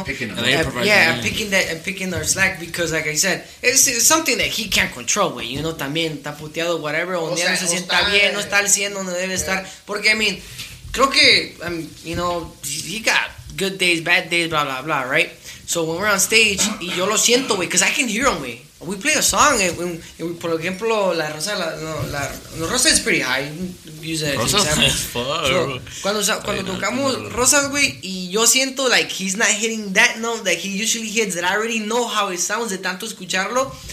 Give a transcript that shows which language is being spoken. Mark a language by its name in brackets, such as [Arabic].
[English] I'm picking our slack because, like I said, it's something that he can't control, güey. [Spanish] You know, también está puteado, whatever. Se sienta bien, no está al 100 donde debe estar. [English] Porque, I mean, [Spanish] creo que, [English] you know, he got good days, bad days, blah, blah, blah, right? So when we're on stage, [Spanish] y yo lo siento, [English] güey, because I can hear him, güey. We play a song, and we, [Spanish] por ejemplo, [English] La Rosa, la Rosa is pretty high. Use it. Rosa is [Spanish] cuando tocamos Rosa, güey, y yo siento [English] like he's not hitting that note that he usually hits, that I already know how it sounds [Spanish] de tanto escucharlo.